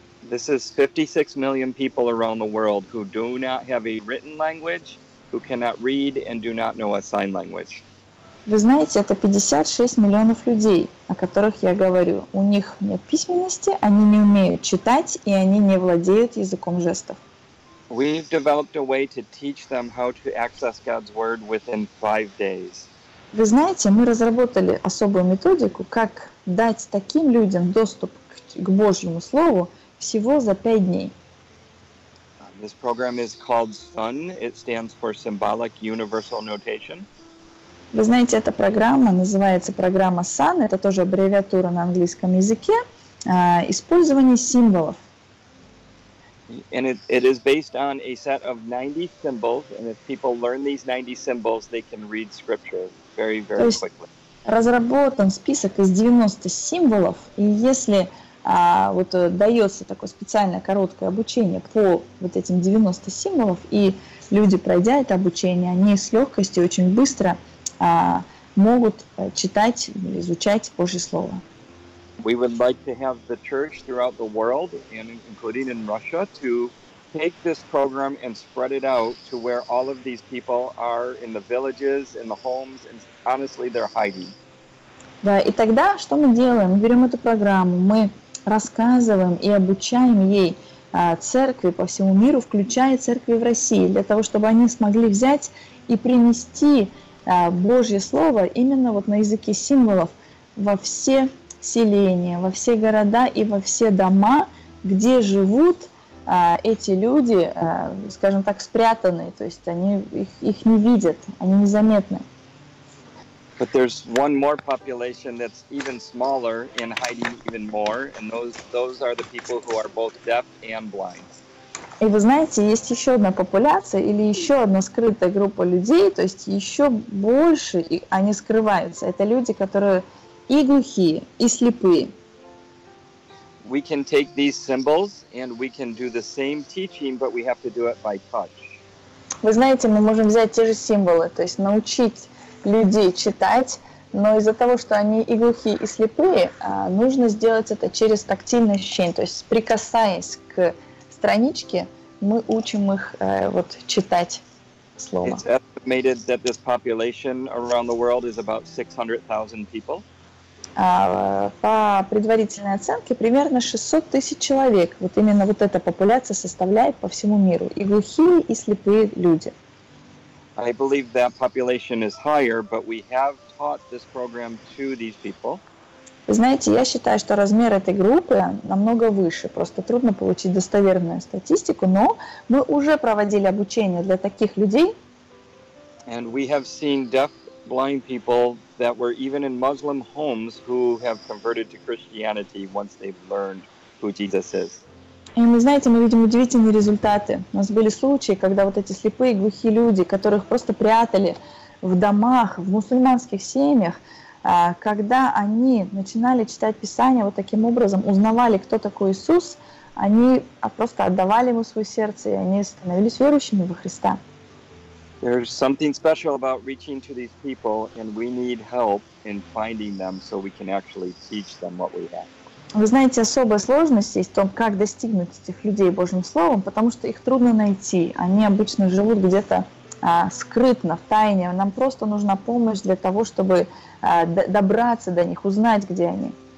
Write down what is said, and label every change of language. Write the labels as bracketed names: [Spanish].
[English] This is 56 million people around the world who do not have a written language, who cannot read and do not know a sign language. [Russian] Вы знаете, это 56 миллионов людей, о которых я говорю. У них нет письменности, они не умеют читать и они не владеют языком жестов. [English] We've developed a way to teach them how to access God's word within 5 days. [Russian] Вы знаете, мы разработали особую методику, как дать таким людям доступ к Божьему Слову всего за 5 дней. [English] This program is called SUN. It stands for Symbolic Universal Notation. [Russian] Вы знаете, эта программа называется программа SUN. Это тоже аббревиатура на английском языке. Использование символов. [English] And it is based on a set of 90 symbols, and if people learn these 90 symbols, they can read scripture very, very quickly. [Russian] Разработан список из 90 символов, и если вот дается такое специальное короткое обучение по вот этим 90 символов, и люди, пройдя это обучение, они с легкостью очень быстро могут читать или изучать Божье Слово. [English] We would like to have the church throughout the world, and including in Russia, to take this program and spread it out to where all of these people are in the villages, in the homes, and honestly, they're hiding. [Russian] Да, и тогда что мы делаем? Берем эту программу, мы рассказываем и обучаем ей церкви по всему миру, включая церкви в России, для того, чтобы они смогли взять и принести Божье Слово именно вот на языке символов во все селения, во все города и во все дома, где живут эти люди, скажем так, спрятанные, то есть они их не видят, они незаметны. [English] But there's one more population that's even smaller and hiding even more, and those are the people who are both deaf and blind. [Russian] И вы знаете, есть еще одна популяция или еще одна скрытая группа людей, то есть еще больше они скрываются. Это люди, которые и глухие, и слепые. [English] We can take these symbols and we can do the same teaching, but we have to do it by touch. [Russian] Вы знаете, мы можем взять те же символы, то есть научить людей читать, но из-за того, что они и глухие, и слепые, нужно сделать это через тактильное ощущение, то есть прикасаясь к страничке, мы учим их вот читать слово. [English] It's estimated that this population around the world is about 600,000 people. [Russian] По предварительной оценке, примерно 600 тысяч человек, вот именно вот эта популяция составляет по всему миру, и глухие, и слепые люди. [English] I believe that population is higher, but we have taught this program to these people. [Russian] Вы знаете, я считаю, что размер этой группы намного выше, просто трудно получить достоверную статистику, но мы уже проводили обучение для таких людей. [English] And we have seen deaf, blind people that were even in Muslim homes who have converted to Christianity once they've learned who Jesus is. [Russian] И вы знаете, мы видим удивительные результаты. У нас были случаи, когда вот эти слепые, глухие люди, которых просто прятали в домах, в мусульманских семьях, когда они начинали читать Писание вот таким образом, узнавали, кто такой Иисус, они просто отдавали ему свое сердце, и они становились верующими во Христа. [English] There's something special about reaching to these people, and we need help in finding them so we can actually teach them what we have. [Russian] Вы знаете, особая сложность есть в том, как достигнуть этих людей Божьим Словом, потому что их трудно найти. Они обычно живут где-то скрытно, в тайне. Нам просто нужна помощь для того, чтобы добраться до них, узнать, где они.